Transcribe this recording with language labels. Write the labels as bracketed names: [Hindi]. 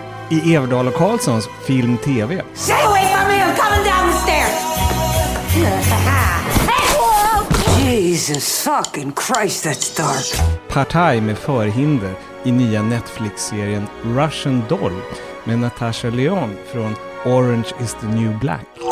[Swedish] i Everdahl och Karlssons film TV. [English] Stay away from me, I'm coming down the stairs. Jesus fucking Christ, that's dark. [Swedish] Partaj med förhinder i nya Netflix-serien Russian Doll med Natasha Lyonne från Orange is the New Black.